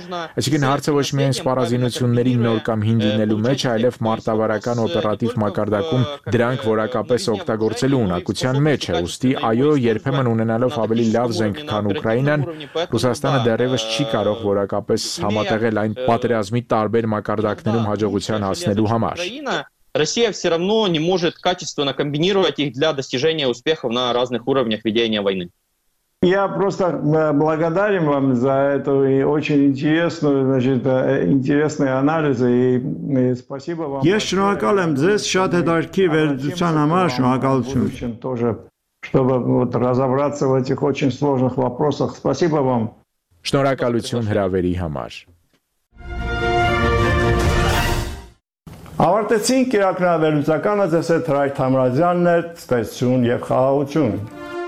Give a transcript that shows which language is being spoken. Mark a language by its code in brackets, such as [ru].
[hy] Այսինքն հարցը ոչ միայն սպառազինությունների նոր կամ հին լինելու մեջ, այլև մարտավարական օպերատիվ մակարդակում դրանք որակապես օգտագործելու ունակության մեջ է, ուստի այո, երբեմն ունենալով ավելի լավ զենք, քան Ուկրաինան, Ռուսաստանը դեռևս չի կարող որակապես համատեղել այն պատերազմի տարբեր մակարդակներում հաջողության հասնելու համար։ [ru] Россия все равно не может качественно комбинировать их для достижения успехов на разных уровнях ведения войны. Я просто благодарен вам за эту очень интересную, значит, интересный анализ и спасибо вам. Я [hy] շնորհակալ եմ ձեզ, շատ հետաքրքիր վերդության համար, շնորհակալություն։ [ru] Тоже, чтобы вот разобраться в этих очень сложных вопросах. Спасибо вам. [hy] Շնորհակալություն հրավերի համար։ Ավարտեցինք կրակնավերլուծականը, ձեզ հետ Հրայր Թամրազյանն է, ցտեսություն եւ խաղաղություն։